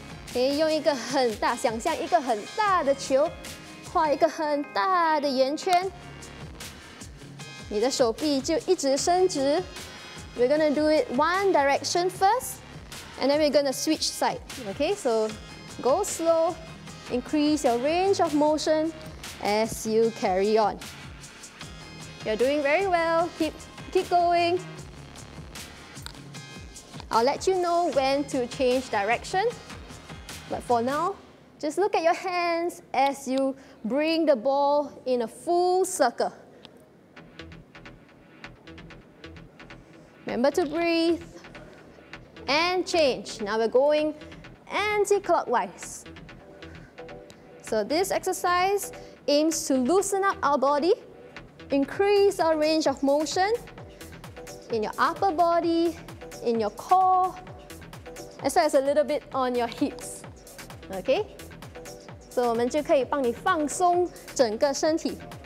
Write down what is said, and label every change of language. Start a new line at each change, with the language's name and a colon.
Chinese: Okay, 用一个很大，想象一个很大的球，画一个很大的圆圈. 你的手臂就一直伸直。
English: We're gonna do it one direction first, and then we're gonna switch side. Okay, so go slow, increase your range of motion as you carry on. You're doing very well, keep going. I'll let you know when to change direction, but for now, just look at your hands as you bring the ball in a full circle. Remember to breathe and change. Now we're going anti-clockwise. So this exercise aims to loosen up our body, increase our range of motion in your upper body, in your core, as well as a little bit on your hips. Okay?
Chinese: So 我们就可以帮你放松整个身体.